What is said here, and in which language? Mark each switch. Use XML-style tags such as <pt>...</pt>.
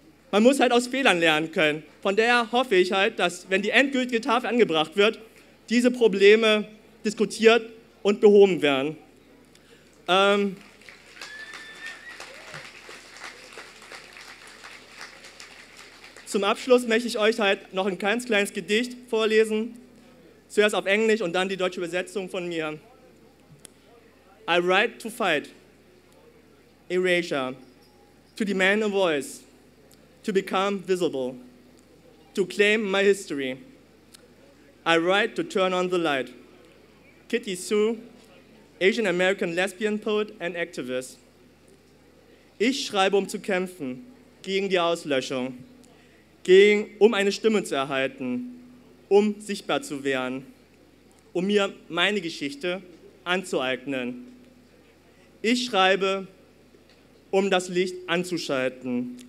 <de>Man muss halt aus Fehlern lernen können. Von daher hoffe ich halt, dass, wenn die endgültige Tafel angebracht wird, diese Probleme diskutiert und behoben werden. Zum Abschluss möchte ich euch halt noch ein ganz kleines Gedicht vorlesen. Zuerst auf Englisch und dann die deutsche Übersetzung von mir.</de> <en>I write to fight erasure, to demand a voice, to become visible, to claim my history. I write to turn on the light. Kitty Sue, Asian American lesbian poet and activist.</en> <de>Ich schreibe, um zu kämpfen gegen die Auslöschung, um eine Stimme zu erhalten, um sichtbar zu werden, um mir meine Geschichte anzueignen. Ich schreibe, um das Licht anzuschalten.</de>